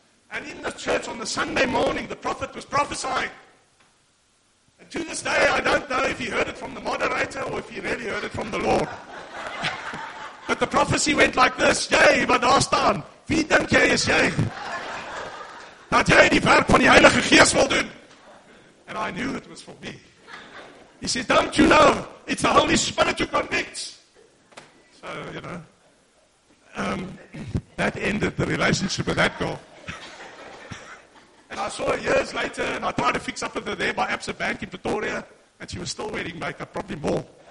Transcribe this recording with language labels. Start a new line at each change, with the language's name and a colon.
English: And in the church on the Sunday morning, the prophet was prophesying. And to this day, I don't know if he heard it from the moderator or if he really heard it from the Lord. But the prophecy went like this, yay, but Astan,
Afrikaans: wie dink jy is jy? Dat jy die werk van die Heilige Geest wil doen.
English: And I knew it was for me. He said, don't you know, it's the Holy Spirit who convicts. So, you know, that ended the relationship with that girl. And I saw her years later, and I tried to fix up with her there by Absa Bank in Pretoria, and she was still wearing makeup, probably more.